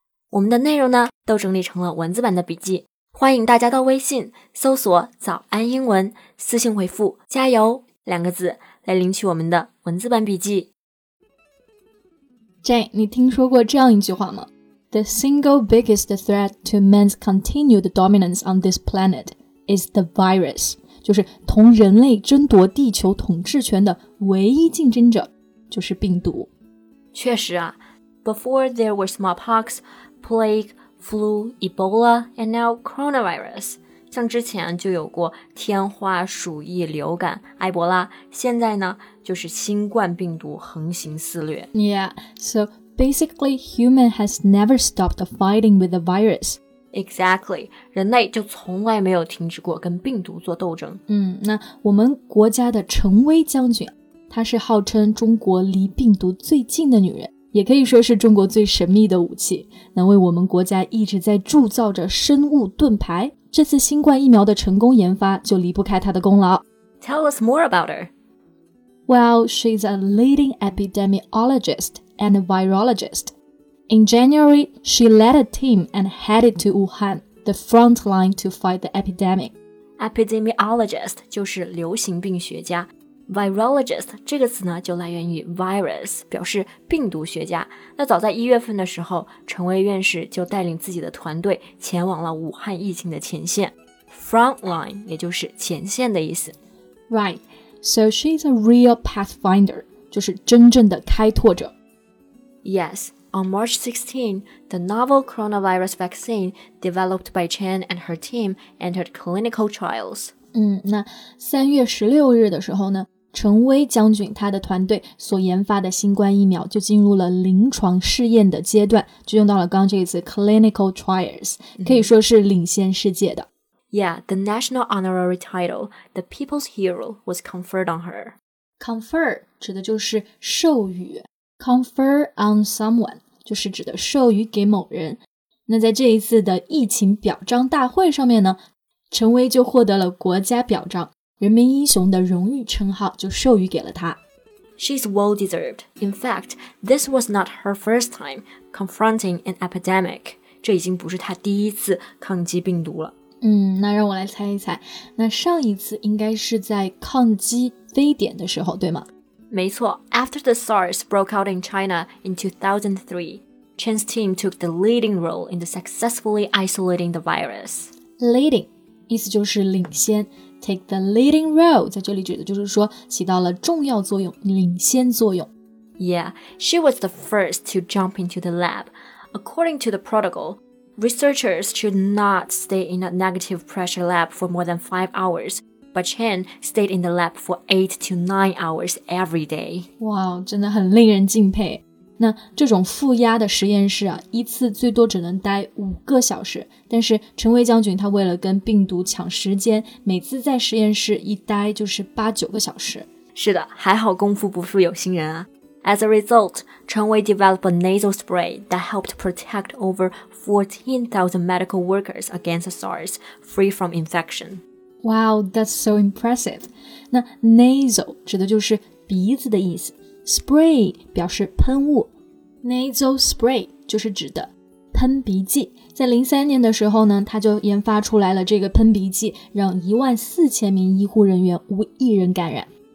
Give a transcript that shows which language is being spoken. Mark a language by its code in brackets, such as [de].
[zh] 我们的内容呢，都整理成了文字版的笔记，欢迎大家到微信搜索“早安英文”，私信回复“加油”两个字来领取我们的文字版笔记。 Jane, 你听说过这样一句话吗？ [en] The single biggest threat to man's continued dominance on this planet is the virus. [zh] 就是同人类争夺地球统治权的唯一竞争者就是病毒。确实啊， [en] before there were smallpox, plague, flu, Ebola, and now coronavirus. [zh] 像之前就有过天花、鼠疫、流感、埃博拉，现在呢就是新冠病毒横行肆虐。 [en] Yeah, so... Basically, human has never stopped fighting with the virus. Exactly. [zh] 人类就从来没有停止过跟病毒做斗争。那我们国家的陈薇将军，她是号称中国离病毒最近的女人，也可以说是中国最神秘的武器，能为我们国家一直在铸造着生物盾牌。这次新冠疫苗的成功研发就离不开她的功劳。 [en] Tell us more about her. Well, she's a leading epidemiologist. And a virologist. In January, she led a team and headed to Wuhan, the front line to fight the epidemic. [zh] Epidemiologist 就是流行病学家。Virologist 这个词呢，就来源于 virus, 表示病毒学家。那早在一月份的时候，陈薇院士就带领自己的团队前往了武汉疫情的前线。 Front line 也就是前线的意思。 [en] Right, so she's a real pathfinder, [zh] 就是真正的开拓者。 [en] Yes, on March 16, the novel coronavirus vaccine developed by Chen and her team entered clinical trials. [zh] 那3月16日的时候呢，陈薇将军他的团队所研发的新冠疫苗就进入了临床试验的阶段，就用到了刚刚这个词 clinical trials, 可以说是领先世界的。 [en] Yeah, the national honorary title, the people's hero, was conferred on her. [zh] Confer 指的就是授予。 [en] Confer on someone, [zh] 就是指的授予给某人。那在这一次的疫情表彰大会上面呢，陈薇就获得了国家表彰，人民英雄的荣誉称号就授予给了她。 [en] She's well deserved. In fact, this was not her first time confronting an epidemic. [zh] 这已经不是她第一次抗击病毒了。那让我来猜一猜，那上一次应该是在抗击非典的时候，对吗？没错， [en] after the SARS broke out in China in 2003, Chen's team took the leading role in the successfully isolating the virus. [zh] Leading, 意思就是领先， [en] take the leading role, [zh] 在这里指的就是说起到了重要作用，领先作用。 [en] Yeah, she was the first to jump into the lab. According to the protocol, researchers should not stay in a negative pressure lab for more than 5 hours, but Chen stayed in the lab for 8 to 9 hours every day. [zh] Wow, 真的很令人敬佩。那这种负压的实验室啊，一次最多只能待5个小时，但是陈威将军他为了跟病毒抢时间，每次在实验室一待就是8-9个小时。是的，还好功夫不负有心人啊。 [en] As a result, Chen Wei developed a nasal spray that helped protect over 14,000 medical workers against SARS, free from infection. Wow, that's so impressive. [zh] 那 nasal 指的就是鼻子的意思。Spray 表示喷雾。 Nasal spray 就是指的喷鼻剂。在2003年的时候呢，他就研发出来了这个喷鼻剂，让14,000名医护人员无一人感染。